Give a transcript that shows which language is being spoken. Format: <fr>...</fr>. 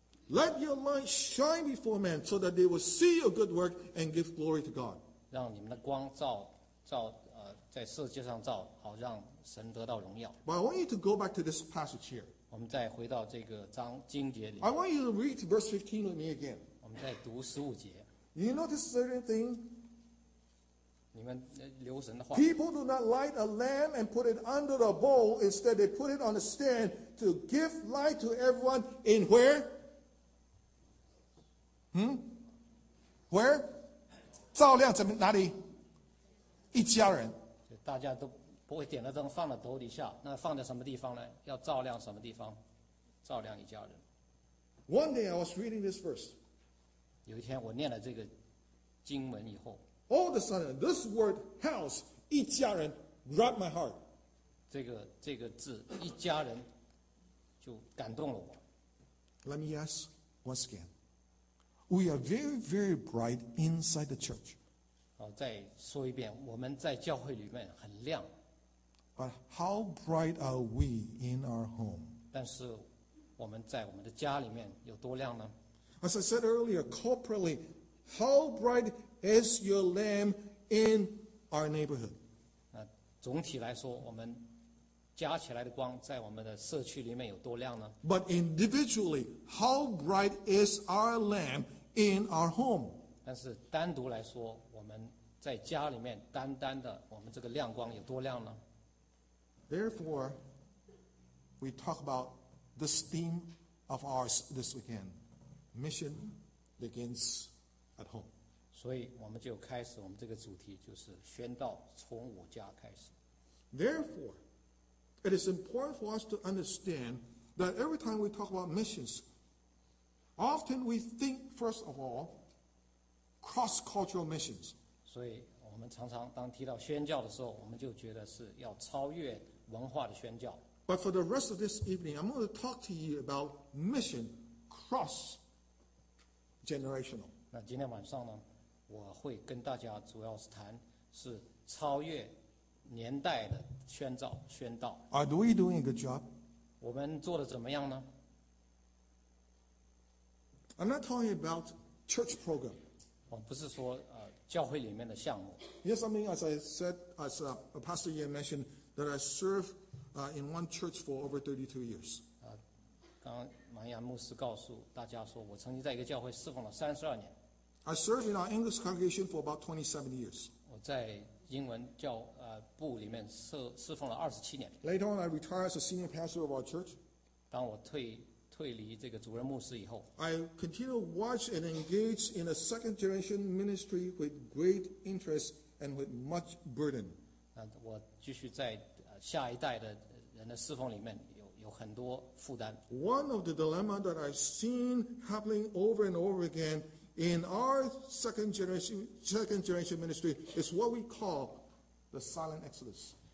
<en>Let your light shine before men so that they will see your good work and give glory to God.</en> <zh>让你们的光照在世界上照，好让神得到荣耀。</zh> <en>But I want you to go back to this passage here.</en> <zh>我们再回到这个章经节里。</zh> <en>I want you to read verse 15 with me again.</en> <zh>我们再读十五节。</zh> <en>You notice certain thing?</en> <zh>你们留神的话。</zh> <en>People do not light a lamp and put it under the bowl. Instead, they put it on a stand to give light to everyone in where? Where?</en> <zh>照亮怎么哪里？一家人。大家都不会点了灯放在斗底下，那放在什么地方呢？要照亮什么地方？照亮一家人。</zh> <en>One day I was reading this verse.</en> <zh>有一天我念了这个经文以后。</zh> <en>All of a sudden, this word house, 一家人 grabbed my heart.</en> <zh>这个字一家人就感动了我。</zh> <en>Let me ask once again. We are very, very bright inside the church.</en> <zh>再说一遍，我们在教会里面很亮。</zh> <en>But how bright are we in our home?</en> <zh>但是我们在我们的家里面有多亮呢？</zh> <en>As I said earlier, corporately, how bright is your lamp in our neighborhood?</en> <zh>总体来说，我们加起来的光在我们的社区里面有多亮呢？</zh> <en>But individually, how bright is our lamp in our home?</en> <zh>但是单独来说，我们在家里面单单的，我们这个亮光有多亮呢？</zh> <en>Therefore, we talk about this theme of ours this weekend. Mission begins at home.</en> <zh>所以我们就开始我们这个主题就是宣道从我家开始。</zh> <en>Therefore, it is important for us to understand that every time we talk about missions, often we think first of all, cross-cultural missions.</en> <zh>所以我们常常当提到宣教的时候，我们就觉得是要超越文化的宣教。</zh> <en>But for the rest of this evening, I'm going to talk to you about mission cross-generational.</en> <zh>那今天晚上呢？我会跟大家主要是谈是超越年代的宣道。</zh> <en>Are we doing a good job?</en> <zh>我们做的怎么样呢？</zh> <en>I'm not talking about church program.</en> <zh>我不是说教会里面的项目。</zh> <en>Yes, I mean, as I said, as a Pastor Ian mentioned, that I served in one church for over 32 years.</en> <zh>刚刚杨牧师告诉大家说，我曾经在一个教会侍奉了32年。</zh> <en>I served in our English congregation for about 27 years.</en> <zh>我在英文教部里面侍奉了27年。</zh> <en>Later on, I retired as a senior pastor of our church.</en> <zh>当我退退离这个主任牧师以后</zh> <en>I continue to watch and engage in a second generation ministry with great interest and with much burden.</en> <zh>我继续在下一代的人的侍奉里面有很多负担</zh> <en>One of the dilemma that I've seen happening over and over again in our second generation ministry is what we call the silent exodus.</en>